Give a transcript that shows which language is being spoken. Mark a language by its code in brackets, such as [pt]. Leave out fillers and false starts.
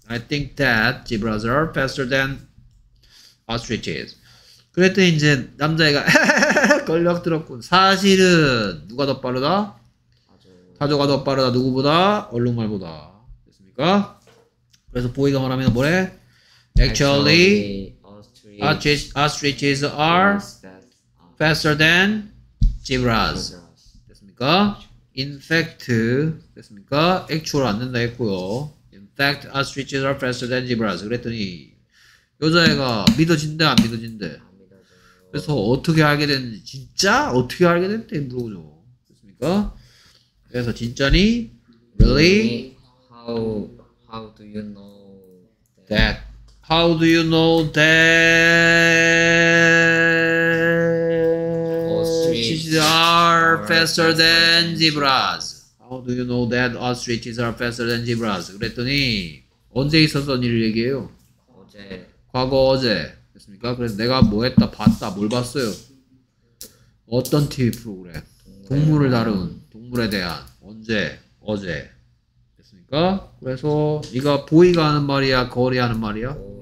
[en] I think that zebras are faster than ostriches. [ko] 그랬더니 이제 남자애가 걸려 들었군. 사실은 누가 더 빠르다? 타조가 더 빠르다. 누구보다? 얼룩말보다. 됐습니까? 그래서 보이가 말하면 뭐래? [en] Actually, ostriches are faster than zebras. [ko] 됐습니까? [en] In fact, [ko] 됐습니까? Actual 안 된다 했고요. In [en] fact, ostriches are faster than zebras. [ko] 그랬더니 여자애가 믿어진대 안 믿어진대. 그래서 어떻게 알게 됐는지 진짜 어떻게 알게 됐는지 물어보죠. 그렇습니까? 그래서 진짜니? Really? [en] How do you know that? How do you know that ostriches are faster than zebras? How do you know that ostriches are faster than zebras? [ko] 그랬더니 언제 있었던 일을 얘기해요? 어제. 과거 어제. 됐습니까? 그래서 내가 뭐 했다, 봤다, 뭘 봤어요? 어떤 TV 프로그램? 동물을 다룬 동물에 대한 언제? 어제. 됐습니까? 그래서 네가 보이가 하는 말이야, 거리 하는 말이야?